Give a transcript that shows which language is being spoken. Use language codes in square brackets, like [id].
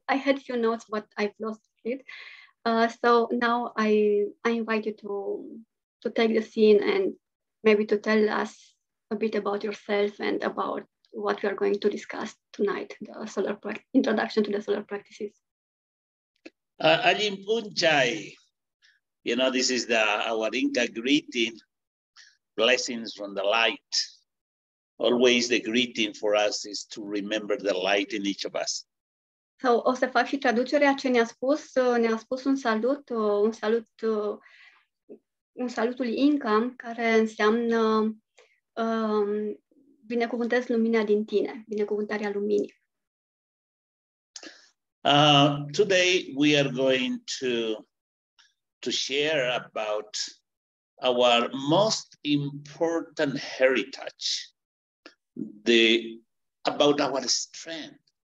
[en] I had few notes, but I've lost it. So now I invite you to take the scene and maybe to tell us a bit about yourself and about what we are going to discuss tonight, the solar introduction to the solar practices. Alin Punchai, you know, this is our Inca greeting, blessings from the light. Always the greeting for us is to remember the light in each of us. [ro] So, o să fac și traducerea ce ne-a spus. Ne-a spus un salutul Inca, care înseamnă binecuvântez lumina din tine, binecuvântarea luminii. [en] Today we are going to share about our most important heritage, about our strength.